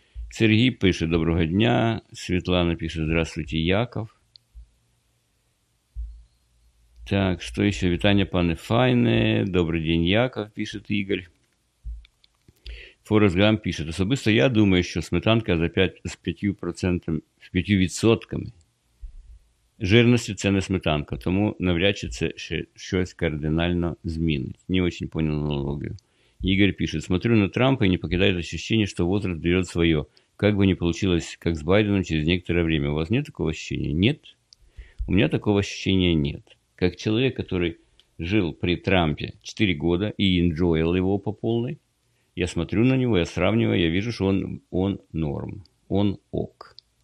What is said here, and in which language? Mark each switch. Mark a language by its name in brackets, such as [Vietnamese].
[Russian] Сергей пишет, доброго дня. Светлана пишет, здравствуйте, Яков. Так, что еще? Витание, паны файны. Добрый день, Яков, пишет Игорь. Форест Гамп пишет, особисто я думаю, что сметанка за 5, с 5%, с 5%. [Ukrainian] Жирності це не сметанка, тому навряд чи це ще щось кардинально змінить. [Russian] Не очень понял аналогію. [Ukrainian] Ігор пише, смотрю на Трампа і не покидаю ощущення, що возраст дає своє. Как би не вийшло, як з Байденом [Russian] через некоторое время. У вас нет такого ощущения? Нет. У мене такого ощущения нет. Как человек, который жил при Трампе 4 года и enjoyal его по полной, я смотрю на него, я сравниваю, я вижу, что он норм. Он ок.